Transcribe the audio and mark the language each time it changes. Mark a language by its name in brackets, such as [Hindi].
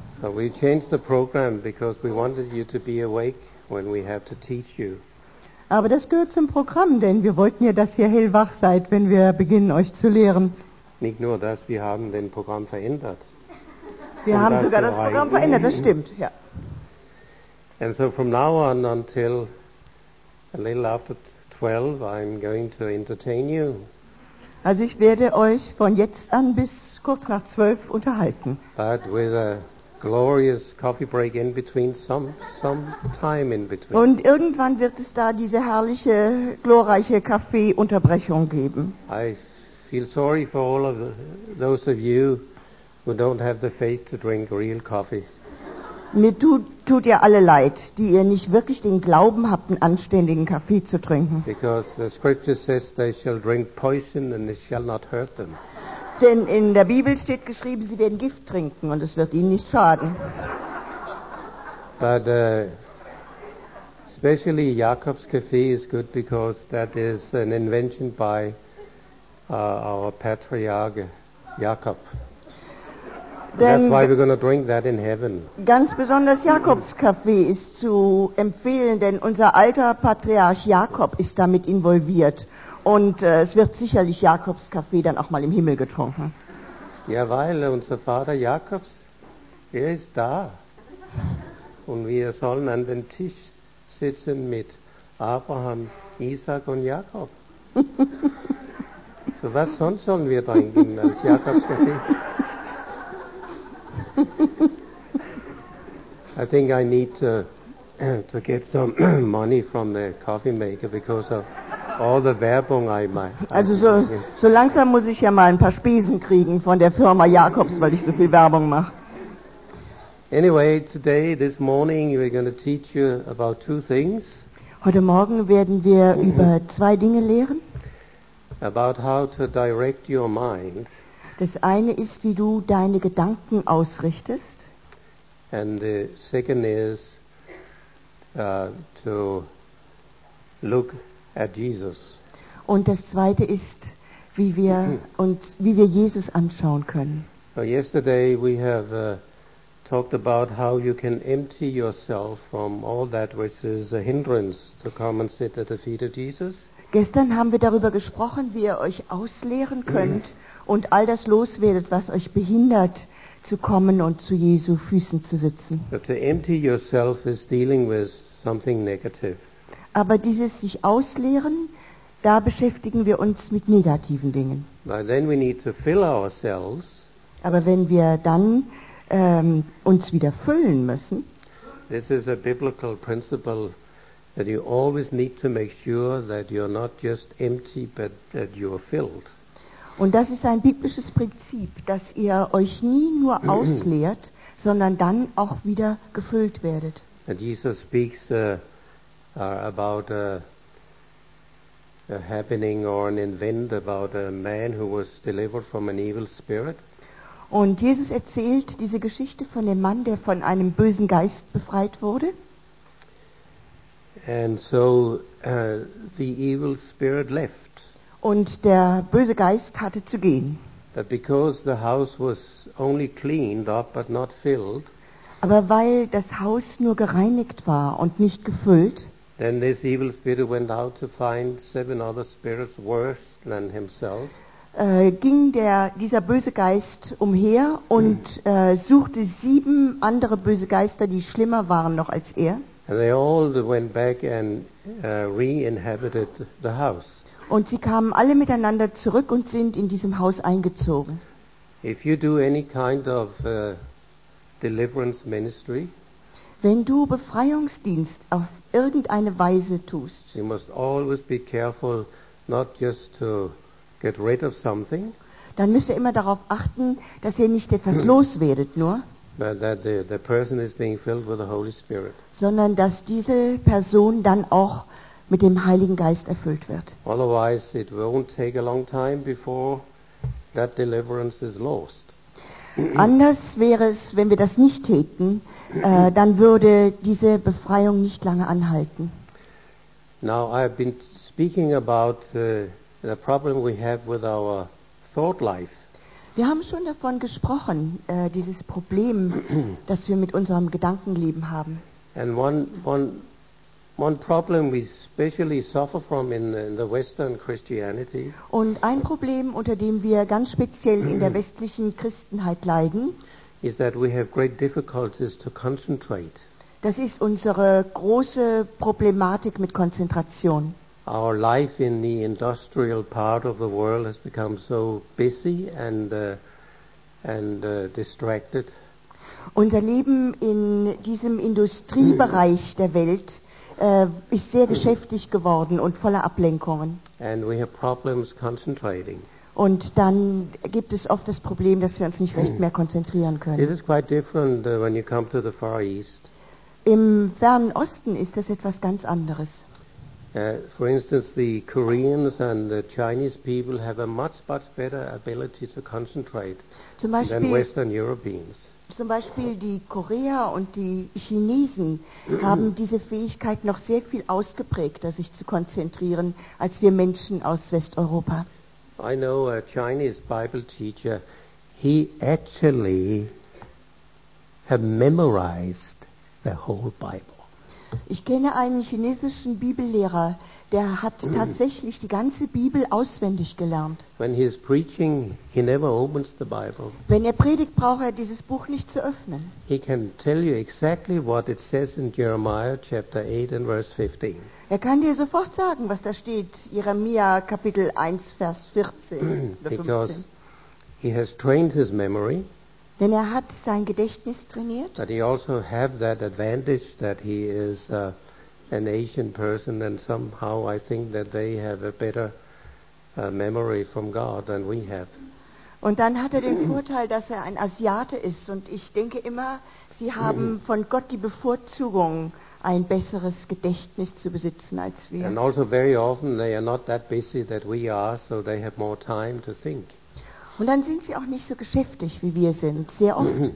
[English] So we changed the program because we wanted you to be awake when we have to teach you. [German] Aber das gehört zum Programm, denn wir wollten ja, dass ihr hellwach seid, wenn wir beginnen, euch zu lehren. Nicht nur das, wir haben den Programm verändert. Wir haben sogar das Programm verändert, das stimmt, ja. [English] And so from now on until a little after 12, I'm going to entertain you. [German] Also ich werde euch von jetzt an bis kurz nach 12 unterhalten. [English] But with a glorious coffee break in between, some time in between. [German] Und irgendwann wird es da diese herrliche, glorreiche Kaffeeunterbrechung geben. [English] I feel sorry for all of those of you who don't have the faith to drink real coffee. [German] Mir tut ihr alle leid, die ihr nicht wirklich den Glauben habt, einen anständigen Kaffee zu trinken. [English] Because the scripture says they shall drink poison and it shall not hurt them. [German] Denn in der Bibel steht geschrieben, sie werden Gift trinken und es wird ihnen nicht schaden. [English] But especially Jakob's Kaffee is good because that is an invention by our patriarch Jakob. [German] Denn [English] that's why we're going to drink that in heaven. [German] Ganz besonders Jakobs Kaffee ist zu empfehlen, denn unser alter Patriarch Jakob ist damit involviert. Und es wird sicherlich Jakobs Kaffee dann auch mal im Himmel getrunken. Ja, weil unser Vater Jakobs, er ist da. Und wir sollen an den Tisch sitzen mit Abraham, Isaac und Jakob. So was sonst sollen wir trinken als Jakobs Kaffee? [English] I think I need to get some money from the coffee maker because of all the Werbung I make. [German] Also so langsam muss ich ja mal ein paar Spesen kriegen von der Firma Jakobs, weil ich so viel Werbung mache. [English] Anyway, today, this morning, we're going to teach you about two things. [German] Heute Morgen werden wir über zwei Dinge lehren. [English] About how to direct your mind. [German] Das eine ist, wie du deine Gedanken ausrichtest. [English] And the second is to look at Jesus. [German] Und das zweite ist, wie wir Jesus anschauen können. [English] So yesterday we have talked about how you can empty yourself from all that which is a hindrance to come and sit at the feet of Jesus. [German] Gestern haben wir darüber gesprochen, wie ihr euch ausleeren könnt und all das loswerdet, was euch behindert, zu kommen und zu Jesu Füßen zu sitzen. [English] But to empty yourself is dealing with something negative. [German] Aber dieses sich ausleeren, da beschäftigen wir uns mit negativen Dingen. [English] But then we need to fill ourselves. [German] Aber wenn wir dann uns wieder füllen müssen, [English] this is a biblical principle. That you always need to make sure that you're not just empty, but that you're filled. [German] Und das ist ein biblisches Prinzip, dass ihr euch nie nur ausleert, sondern dann auch wieder gefüllt werdet. [English] And Jesus speaks about a happening or an event about a man who was delivered from an evil spirit. [German] Und Jesus erzählt diese Geschichte von dem Mann, der von einem bösen Geist befreit wurde. [English] And so the evil spirit left. [German] Und der böse Geist hatte zu gehen. [English] But because the house was only cleaned up but not filled. [German] Aber weil das Haus nur gereinigt war und nicht gefüllt. [English] Then this evil spirit went out to find seven other spirits worse than himself. [German] Ging dieser böse Geist umher und suchte sieben andere böse Geister, die schlimmer waren noch als er. [English] And they all went back and re-inhabited the house. [German] Und sie kamen alle miteinander zurück und sind in diesem Haus eingezogen. [English] If you do any kind of deliverance ministry, [German] wenn du Befreiungsdienst auf irgendeine Weise tust, [English] you must always be careful not just to get rid of something. [German] Dann müsst ihr immer darauf achten, dass ihr nicht etwas loswerdet nur. [English] But that the person is being filled with the Holy Spirit. [German] Sondern dass diese Person dann auch mit dem Heiligen Geist erfüllt wird. [English] Otherwise, it won't take a long time before that deliverance is lost. [German] Anders wäre es, wenn wir das nicht täten, dann würde diese Befreiung nicht lange anhalten. [English] Now I've been speaking about the problem we have with our thought life. [German] Wir haben schon davon gesprochen, dieses Problem, das wir mit unserem Gedankenleben haben. [English] And one problem we especially suffer from in the Western Christianity. [German] Und ein Problem, unter dem wir ganz speziell in der westlichen Christenheit leiden, [English] is that we have great difficulties to concentrate. [German] Das ist unsere große Problematik mit Konzentration. [English] Our life in the industrial part of the world has become so busy and distracted. [German] Unser Leben in diesem Industriebereich der Welt ist sehr geschäftig geworden und voller Ablenkungen. [English] And we have problems concentrating. [German] Und dann gibt es oft das Problem, dass wir uns nicht recht mehr konzentrieren können. [English] It is quite different when you come to the Far East. [German] Im Fernen Osten ist das etwas ganz anderes. [English] For instance, the Koreans and the Chinese people have a much, much better ability to concentrate than Western Europeans. [German] Zum Beispiel die Korea und die Chinesen haben diese Fähigkeit noch sehr viel ausgeprägter, sich zu konzentrieren, als wir Menschen aus Westeuropa. [English] I know a Chinese Bible teacher, he actually have memorized the whole Bible. [German] Ich kenne einen chinesischen Bibellehrer, der hat tatsächlich die ganze Bibel auswendig gelernt. [English] When he is preaching, he never opens the Bible. [German] Wenn er predigt, braucht er dieses Buch nicht zu öffnen. [English] He can tell you exactly what it says in Jeremiah chapter 8 and verse 15. [German] Er kann dir sofort sagen, was da steht, Jeremia Kapitel 1 Vers 14 oder 15. [English] Because he has trained his memory. [German] Denn er hat sein Gedächtnis trainiert. [English] But he also have that advantage that he is an Asian person, and somehow I think that they have a better memory from God than we have. [German] Und dann hat er den Vorteil, dass er ein Asiate ist, und ich denke immer, sie haben von Gott die Bevorzugung, ein besseres Gedächtnis zu besitzen als wir. [English] And also very often they are not that busy that we are, so they have more time to think. [German] Und dann sind sie auch nicht so geschäftig, wie wir sind, sehr oft.